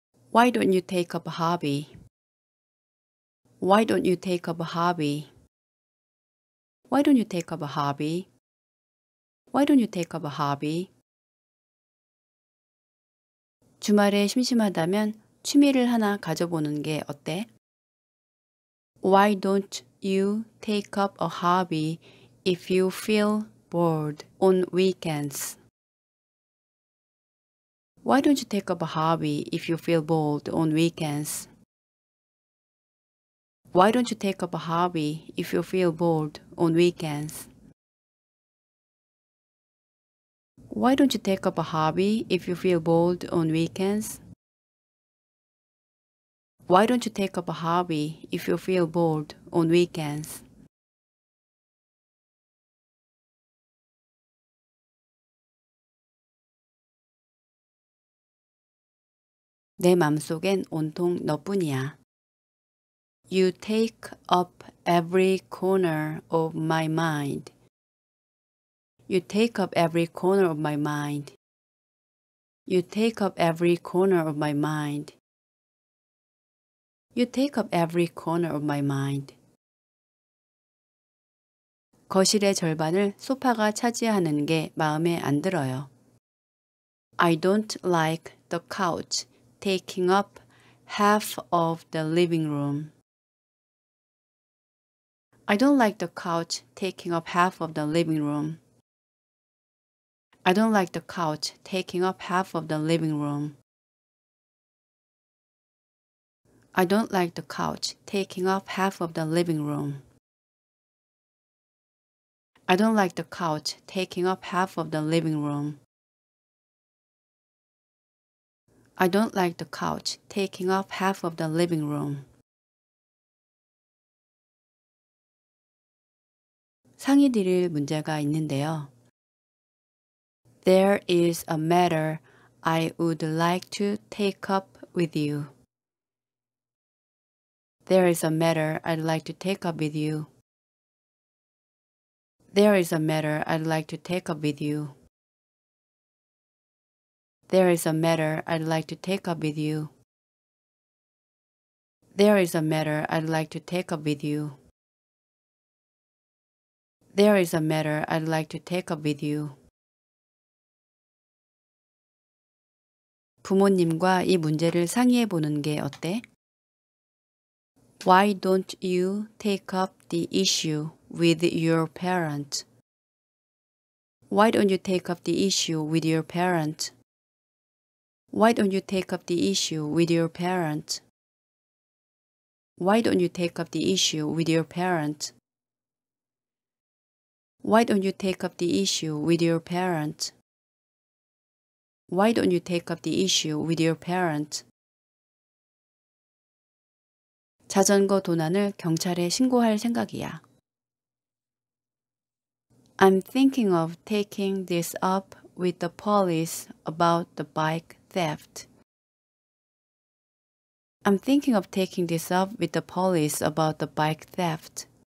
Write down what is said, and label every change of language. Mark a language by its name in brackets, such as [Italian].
[English] Why don't you take up a hobby? Why don't you take up a hobby? Why don't you take up a hobby? Why don't you take up a hobby? [Korean] 주말에 심심하다면 취미를 하나 가져보는 게 어때? [English] Why don't you take up a hobby if you feel bored on weekends? Why don't you take up a hobby if you feel bored on weekends? Why don't you take up a hobby if you feel bored on weekends? Why don't you take up a hobby if you feel bored on weekends? Why don't you take up a hobby if you feel bored on weekends? [Korean] 내 맘속엔 온통 너뿐이야. [English] You take up every corner of my mind. You take up every corner of my mind. You take up every corner of my mind. You take up every corner of my mind. [Korean] 거실의 절반을 소파가 차지하는 게 마음에 안 들어요. [English] I don't like the couch taking up half of the living room. I don't like the couch taking up half of the living room. I don't like the couch taking up half of the living room. I don't like the couch taking up half of the living room. I don't like the couch taking up half of the living room. I don't like the couch taking up half of the living room. [Korean] 상의 드릴 문제가 있는데요. [English] There is a matter I would like to take up with you. There is a matter I'd like to take up with you. There is a matter I'd like to take up with you. There is a matter I'd like to take up with you. There is a matter I'd like to take up with you. There is a matter I'd like to take up with you. [Korean] 부모님과 이 문제를 상의해 보는 게 어때? [English] Why don't you take up the issue with your parent? Why don't you take up the issue with your parent? Why don't you take up the issue with your parent? Why don't you take up the issue with your parent? Why don't you take up the issue with your parent? Why don't you take up the issue with your parent? [Korean] 자전거 도난을 경찰에 신고할 생각이야. [English] I'm thinking of taking this up with the police about the bike theft. I'm thinking of taking this up with the police about the bike theft.